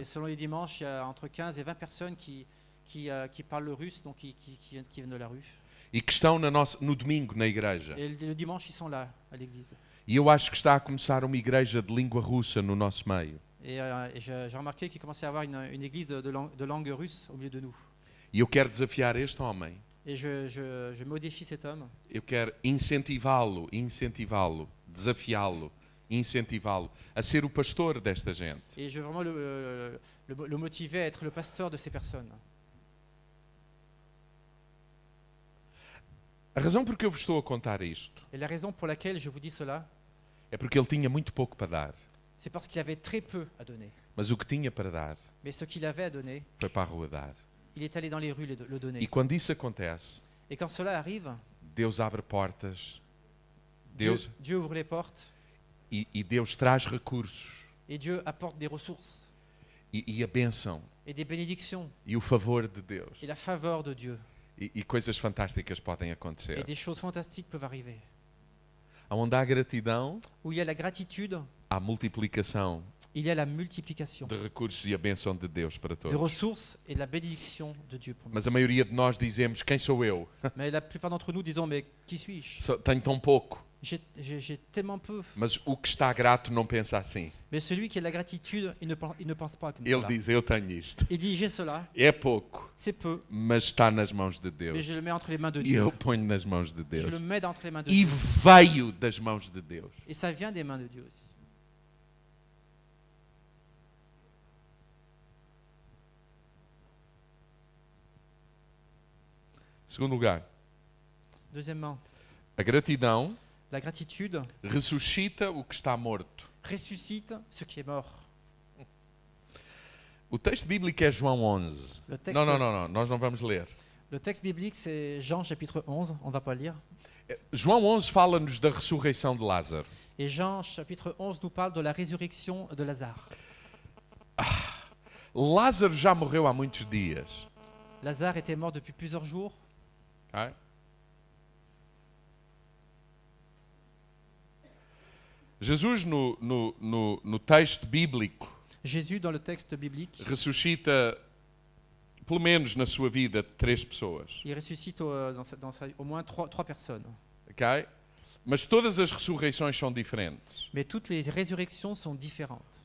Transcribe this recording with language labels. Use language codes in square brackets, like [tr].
[fr] Et selon les dimanches, il y a entre 15 et 20 personnes qui parlent le russe, donc qui viennent de la rue. [pt] E que estão no domingo na igreja. [fr] Et le dimanche, ils sont là à l'église. [pt] E eu acho que está a começar uma igreja de língua russa no nosso meio. [fr] Et j'ai remarqué qu'il commençait à avoir une église de langue russe au milieu de nous. [pt] E eu quero desafiar este homem. [fr] Et je me défie cet homme. [pt] Eu quero incentivá-lo, desafiá-lo, incentivá-lo a ser o pastor desta gente. [fr] Et je veux vraiment le motiver à être le pasteur de ces personnes. [pt] A razão por que eu vos estou a contar isto. [fr] Et la raison pour laquelle je vous dis cela. [pt] É porque ele tinha muito pouco para dar. [fr] C'est parce qu'il avait très peu à donner. [pt] Mas o que tinha para dar, [fr] mais ce qu'il avait à donner, [pt] foi para a rua dar. [fr] Il est allé dans les rues le donner. [pt] E quando isso acontece, [fr] et quand cela arrive, [pt] Deus abre portas. Deus, [fr] Dieu ouvre les portes. [pt] E Deus traz recursos. [fr] Et Dieu apporte des ressources. [pt] E a bênção. [fr] Et des bénédictions. [pt] E o favor de Deus. [fr] Et la faveur de Dieu. [pt] E coisas fantásticas podem acontecer. [fr] Et des choses fantastiques peuvent arriver. [pt] Onde há gratidão, [fr] où il y a la gratitude. [pt] A multiplicação. [fr] Il y a la multiplication. [pt] De recursos e a bênção de Deus para todos. [fr] De ressources et la bénédiction de Dieu pour nous. [pt] Mas a maioria de nós dizemos, quem sou eu? [fr] Mais la plupart d'entre nous disons, mais qui suis-je? [pt] Tenho tão pouco. [fr] J'ai tellement peu. [pt] Mas o que está grato não pensa assim. [fr] Mais celui qui a la gratitude, il ne pense pas comme [pt] ça. Ele diz, eu tenho isto. [fr] Il dit, j'ai cela. [pt] É pouco. [fr] C'est peu. [pt] Mas está nas mãos de Deus. [fr] Mais je le mets entre les mains de Dieu. [pt] E eu ponho nas mãos de Deus. [fr] Je le mets entre les mains de e Dieu. [pt] E veio das mãos de Deus. [fr] Et ça vient des mains de Dieu aussi. [pt] Segundo lugar. [fr] Deuxièmement. [pt] A gratidão. [fr] La gratitude [pt] ressuscita o que está morto. [fr] Ressuscite ce qui est mort. [pt] O texto bíblico é João 11. Não, nós não vamos ler. [fr] Le texte biblique c'est Jean chapitre 11, on va pas lire. [pt] João 11 fala-nos da ressurreição de Lázaro. [fr] Et Jean chapitre 11 nous parle de la résurrection de Lazare. [pt] Ah, Lázaro já morreu há muitos dias. [fr] Lazare était mort depuis plusieurs jours. [en] Okay. [pt] Jesus no texto bíblico. [fr] Jesus, dans le texte biblique, [pt] ressuscita pelo menos na sua vida três pessoas. [fr] Il ressuscite au moins trois personnes. [en] Okay. [pt] Mas todas as ressurreições são diferentes. [fr] Mais toutes les résurrections sont différentes.